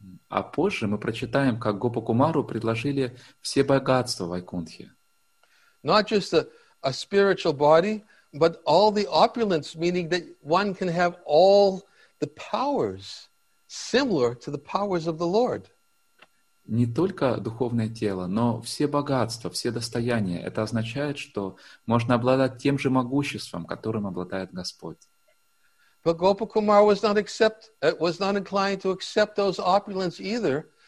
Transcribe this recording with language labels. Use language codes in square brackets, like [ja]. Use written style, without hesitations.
[ru] А позже мы прочитаем, как Гопакумару предложили все богатства Вайкунтхи. [en] Not just a spiritual body, but all the opulence, meaning that one can have all the powers similar to the powers of the Lord. [ru] Не только духовное тело, но все богатства, все достояния. Это означает, что можно обладать тем же могуществом, которым обладает Господь. [en] But Gopakumara was not inclined to accept those opulence either.